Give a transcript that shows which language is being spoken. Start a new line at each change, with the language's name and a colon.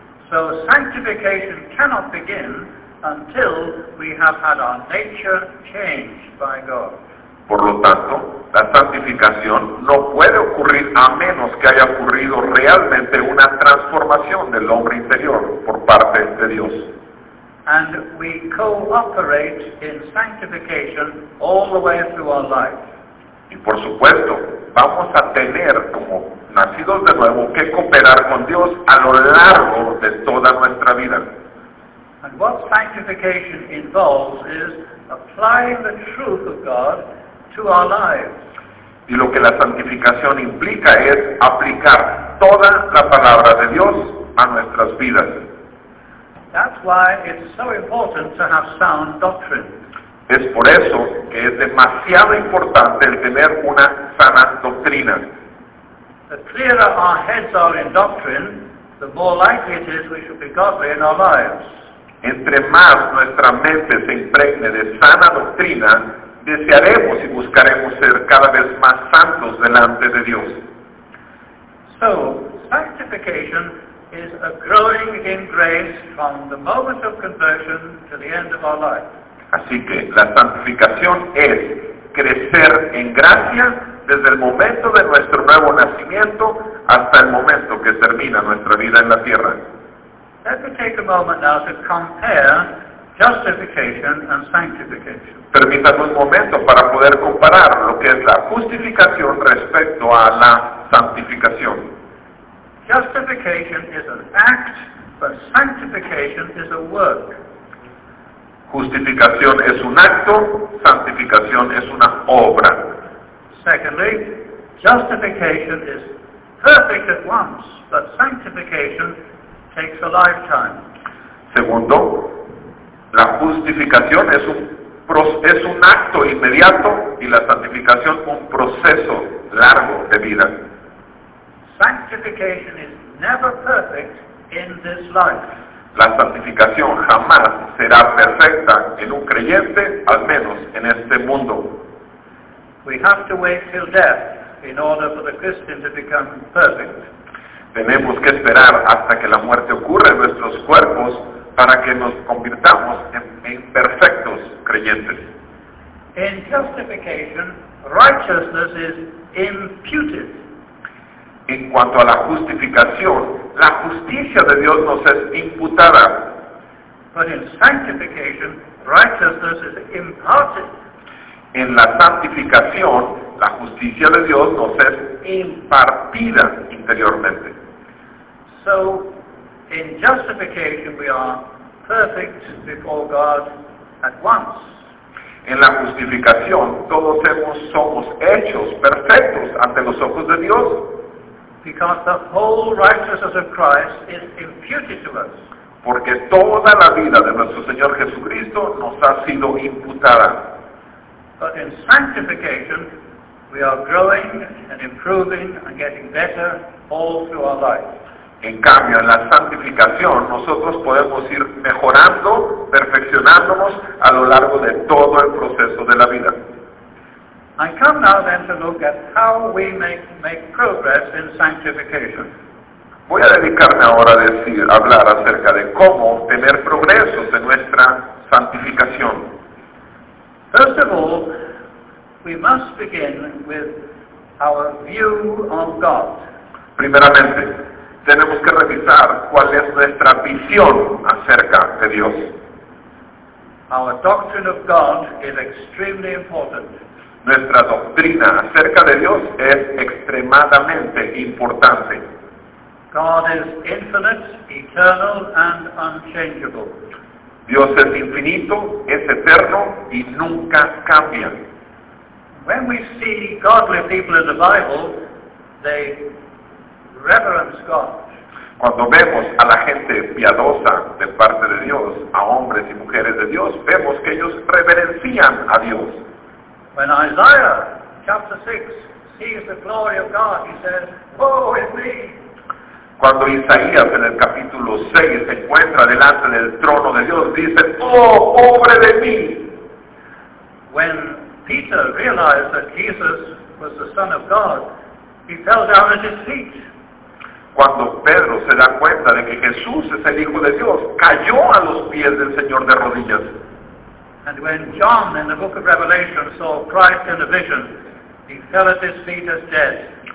English: So sanctification cannot begin until we have had our nature changed by God.
Spanish: Por lo tanto, la santificación no puede ocurrir a menos que haya ocurrido realmente una transformación del hombre interior por parte de Dios.
English: And we cooperate in sanctification all the way through our life.
Spanish: Y por supuesto, vamos a tener, como nacidos de nuevo, que cooperar con Dios a lo largo de toda nuestra vida.
English: And what sanctification involves is applying the truth of God to our lives.
Spanish: Y lo que la santificación implica es aplicar toda la palabra de Dios a nuestras vidas.
English: That's why it's so important to have sound doctrine.
Spanish: Es por eso que es demasiado importante el tener una sana doctrina.
English: The clearer our heads are in doctrine, the more likely it is we should be godly in our lives.
Spanish: Entre más nuestra mente se impregne de sana doctrina, desearemos y buscaremos ser cada vez más santos delante de Dios.
English: So, sanctification is a growing in grace from the moment of conversion to the end of our life.
Spanish: Así que la santificación es crecer en gracia desde el momento de nuestro nuevo nacimiento hasta el momento que termina nuestra vida en la tierra.
English: Let me take a moment now to compare justification and sanctification.
Spanish: Permítanme un momento para poder comparar lo que es la justificación respecto a la santificación.
English: Justification is an act, but sanctification is a work.
Spanish: Justificación es un acto, santificación es una obra.
English: Secondly, justification is perfect at once, but sanctification takes a lifetime.
Spanish: Segundo, la justificación es un es un acto inmediato y la santificación un proceso largo de vida.
English: Sanctification is never perfect in this life.
Spanish: La santificación jamás será perfecta en un creyente, al menos en este mundo.
English: We have to wait till death in order for the Christian to become perfect.
Spanish: Tenemos que esperar hasta que la muerte ocurra en nuestros cuerpos para que nos convirtamos en perfectos creyentes.
English: In justification, righteousness is imputed.
Spanish: En cuanto a la justificación, la justicia de Dios nos es imputada.
English: But in sanctification, righteousness is imparted.
Spanish: En la santificación, la justicia de Dios nos es impartida interiormente.
English: So, in justification, we are perfect before God at once.
Spanish: En la justificación, todos somos hechos perfectos ante los ojos de Dios.
English: Because the whole righteousness of Christ is imputed to us.
Spanish: Porque toda la vida de nuestro Señor Jesucristo nos ha sido imputada.
English: But in sanctification, we are growing and improving and getting better all through our life.
Spanish: En cambio, en la santificación, nosotros podemos ir mejorando, perfeccionándonos a lo largo de todo el proceso de la vida.
English: I come now then to look at how we make progress in sanctification.
Spanish: Voy a dedicarme ahora a hablar acerca de cómo tener progresos en nuestra santificación.
English: First of all, we must begin with our view of God.
Spanish: Primeramente, tenemos que revisar cuál es nuestra visión acerca de Dios.
English: Our doctrine of God is extremely important.
Spanish: Nuestra doctrina acerca de Dios es extremadamente importante.
English: God is infinite, eternal, and unchangeable.
Spanish: Dios es infinito, es eterno y nunca cambia.
English: When we see godly people in the Bible, they reverence God.
Spanish: Cuando vemos a la gente piadosa de parte de Dios, a hombres y mujeres de Dios, vemos que ellos reverencian a Dios.
English: When Isaiah, chapter 6, sees the glory of God, he says, "Woe is me."
Spanish: Cuando Isaías en el capítulo 6 se encuentra delante del trono de Dios, dice, "Oh, pobre de mí."
English: When Peter realized that Jesus was the Son of God, he fell down at his feet.
Spanish: Cuando Pedro se da cuenta de que Jesús es el Hijo de Dios, cayó a los pies del Señor de rodillas.
English: And when John in the book of Revelation saw Christ in a vision, he fell at his feet as dead.